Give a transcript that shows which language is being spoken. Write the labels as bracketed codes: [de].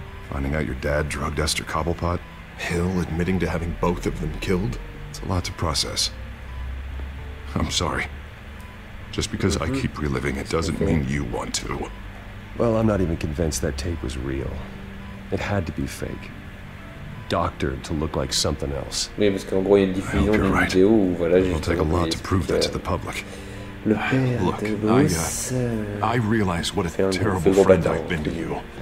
[en] Finding out your dad drugged Esther Cobblepot, Hill admitting to having both of them killed, it's a lot to process. I'm sorry. Just because I keep reliving it doesn't mean you want to. Well, I'm not even convinced that tape was real. It had to be fake. Doctored to look like something else. [fr] Oui, parce qu'en gros, il y a une diffusion d'une vidéo où, voilà, [en] it'll take a lot to prove that to the public. [fr] Le père [en] look, [fr] de Bruce, [en] I realize what a terrible friend I've been to you.